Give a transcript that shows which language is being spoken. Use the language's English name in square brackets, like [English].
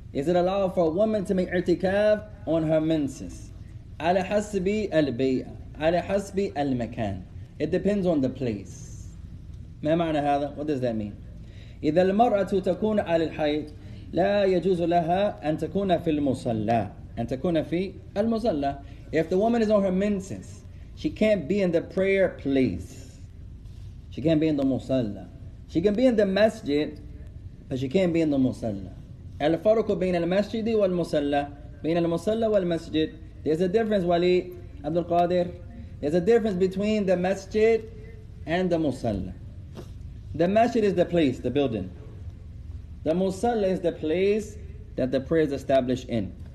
[English] Is it allowed for a woman to make irtikaf on her menses? [Arabic] على حسب البيئة على حسب المكان. [English] It depends on the place. [Arabic] ما معنى هذا? [English] What does that mean? [Arabic] إذا المرأة تكون على الحيض لا يجوز لها أن تكون في المصلى. أن تكون في المصلى. [English] If the woman is on her menses, she can't be in the prayer place. She can't be in the musalla. She can be in the masjid, but she can't be in the musalla. [Arabic] الفرق بين المسجد والمصلى بين المصلى والمسجد. [English] There's a difference, Wali Abdul Qadir. There's a difference between the masjid and the musalla. The masjid is the place, the building. The musalla is the place that the prayer is established in.